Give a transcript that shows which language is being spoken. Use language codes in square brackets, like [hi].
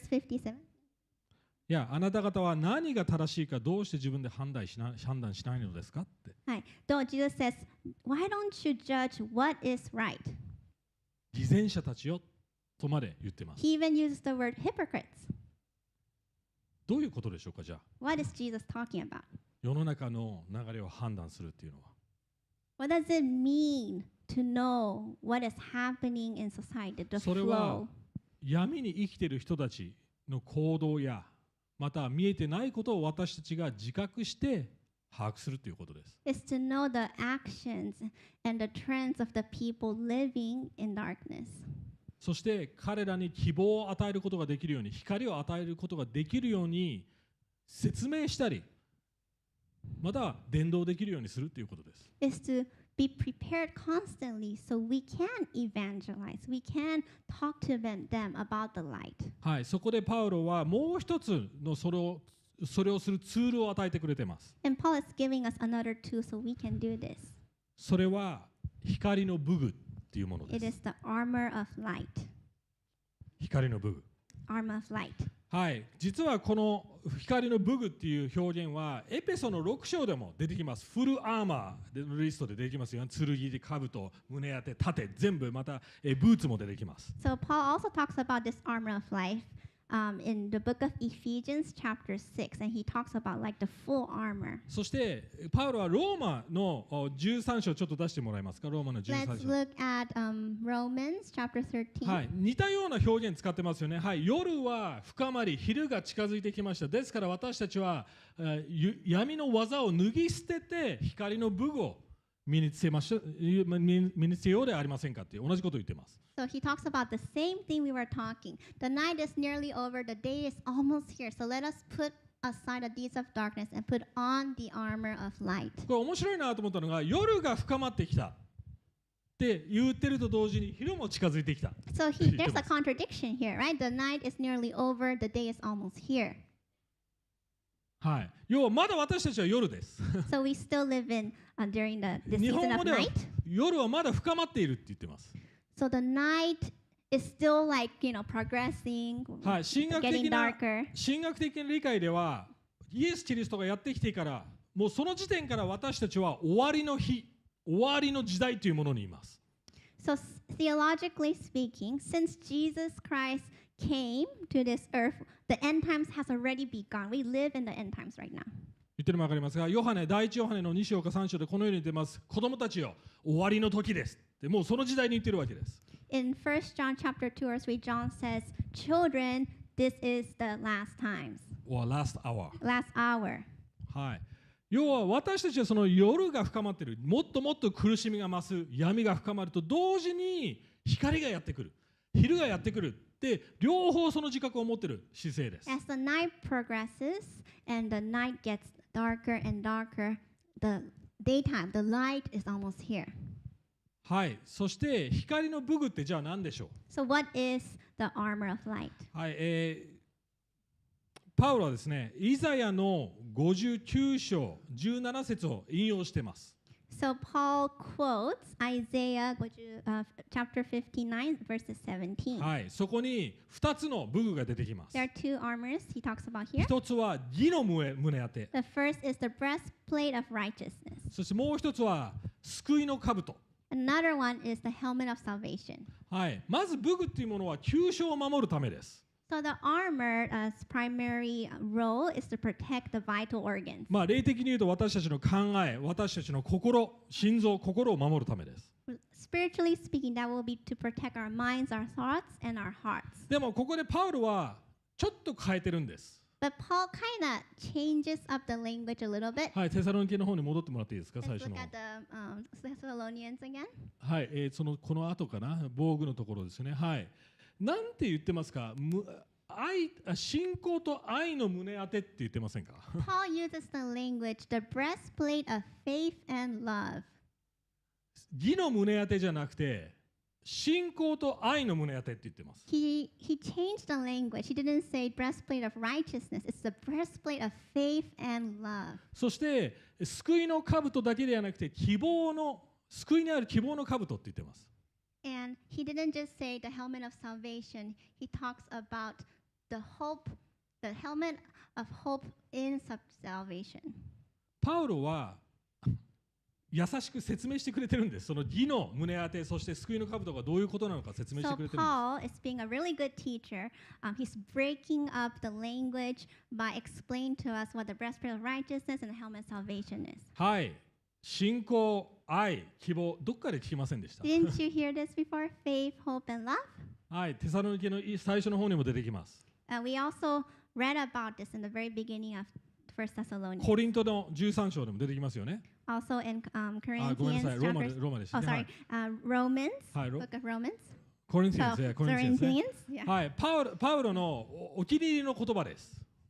[en] verse 57. [ja] いや、あなた方は何が正しいかどうして自分で判断しないのですかって。はい。 [en] So Jesus says, why don't you judge what is right? [ja] 偽善者たちよとまで言ってます。 [en] He even uses the word hypocrites. [ja] どういうことでしょうかじゃあ。 [en] What is Jesus talking about? 世の中の流れを判断するっていうのは。 What does it mean to know what is happening in society? The flow. [ja] それは闇に生きている人たちの行動や、また見えてないことを私たちが自覚して把握するということです。 [en] It's to know the actions and the trends of the people living in darkness. [ja] そして彼らに希望を与えることができるように、光を与えることができるように説明したり、また伝道できるようにするということです。 [en] Is to be prepared constantly so we can evangelize. We can talk to them about the light. [ja] はい、そこでパウロはもう一つのそれをするツールを与えてくれてます。 [en] And Paul is giving us another tool so we can do this. [ja] それは光の武具っていうものです。 [en] It is the armor of light. [ja] 光の武具。 [en] Armor of light. [ja] はい、実はこの光の武具っていう表現はエペソの6章でも出てきます。フルアーマーでリストで出てきますよ。剣、兜、胸当て、盾、全部、またブーツも出てきます。 [en] So Paul also talks about this armor of life In the book of Ephesians, chapter 6, and he talks about like the full armor. [ja] そしてパウロはローマの十三章ちょっと出してもらえますか、ローマの十三章。 [en] Let's look at Romans chapter 13. [ja] はい、似たような表現使ってますよね。はい、夜は深まり、昼が近づいてきました。ですから私たちは闇の技を脱ぎ捨てて光の武具を身につけましょう、身につけようではありませんかって同じことを言ってます。 [en] So he talks about the same thing we were talking. The night is nearly over. The day is almost here. So let us put aside the deeds of darkness and put on the armor of light. [ja] これ面白いなと思ったのが、夜が深まってきたって言ってると同時に昼も近づいてきた。 [en] So he, there's a contradiction here, right? The night is nearly over. The day is almost here. [ja] はい。要はまだ私たちは夜です。 [en] So we still live in during the season of night. [ja] 夜はまだ深まっているって言ってます。 [en] So the night is still like, you know, progressing, getting darker. [ja] 神学的な理解では、イエス・キリストがやってきてから、もうその時点から私たちは終わりの日、終わりの時代というものにいます。 [en] So theologically speaking, since Jesus Christ came to this earth, the end times has already begun. We live in the end times right now. [ja] 言ってるのも分かりますが、ヨハネ、第一ヨハネの2章か3章でこのように言ってます。子供たちよ、終わりの時です。でもうその時代に言ってるわけです。 [en] In 1 John chapter 2 or 3, John says, Children, this is the last times. Or last hour. Last hour. [ja] はい。要は私たちはその夜が深まってる、もっともっと苦しみが増す、闇が深まると同時に光がやってくる、昼がやってくる。で両方その自覚を持ってる姿勢です。 [en] As the night progresses and the night gets darker and darker, the daytime, the light is almost here. [ja] はい。そして光の武具ってじゃあ何でしょう。 [en] So what is the armor of light? [ja] はい。パウロはですね、イザヤの59章17節を引用してます。 [en] So Paul quotes Isaiah chapter 59 verses 17. [ja] はい、そこに二つの武具が出てきます。 [en] There are two armors he talks about here. [ja] 一つは義の胸当て。 [en] The first is the breastplate of righteousness. [ja] そしてもう一つは救いの兜。 [en] Another one is the helmet of salvation. [ja] はい、まず武具っていうものは急所を守るためです。 [en] So the armor, its primary role is to protect the vital organs. [ja] まあ霊的に言うと私たちの考え、私たちの心、心臓、心を守るためです。 [en] Spiritually speaking, that will be to protect our minds, our thoughts, and our hearts. [ja] でもここでパウロはちょっと変えてるんです。 [en] But Paul kind of changes up the language a little bit. [ja] はい、テサロニケの方に戻ってもらっていいですか、最初の。 [en] Let's look at the Thessalonians again. [ja] はい、そのこの後かな、防具のところですね。はい。なんて言ってますか、愛、信仰と愛の胸当てって言ってませんか。 [en] Paul uses the language, the breastplate of faith and love. [ja] 義の胸当てじゃなくて、信仰と愛の胸当てって言ってます。 [en] He changed the language. He didn't say breastplate of righteousness. It's the breastplate of faith and love. [ja] そして、救いの兜だけではなくて、希望の、救いにある希望の兜って言ってます。 [en] And he didn't just say the helmet of salvation. He talks about the hope, the helmet of hope in salvation. [ja] Paul は優しく説明してくれてるんです。その義の胸当て、そして救いの兜がどういうことなのか説明してくれてるんです。 [en] So Paul is being a really good teacher. He's breaking up the language by explaining to us what the breastplate of righteousness and the helmet of salvation is. [ja] はい、信仰。愛、希望、どっかで聞きませんでした。 [en] Didn't you hear this before? Faith, hope, and love? [ja] はい、テサロニケの最初の方にも出てきます。 [en] We also read about this in the very beginning of 1 Thessalonians. [ja] コリントの13章でも出てきますよね。 [en] Also in Corinthians chapter... [ja] ごめんなさい、ローマ、ローマでした。 [en] Oh, sorry. Romans, book of Romans. Corinthians, yeah, Corinthians. Corinthians, yeah. [ja] はい、パウロのお気に入りの言葉です。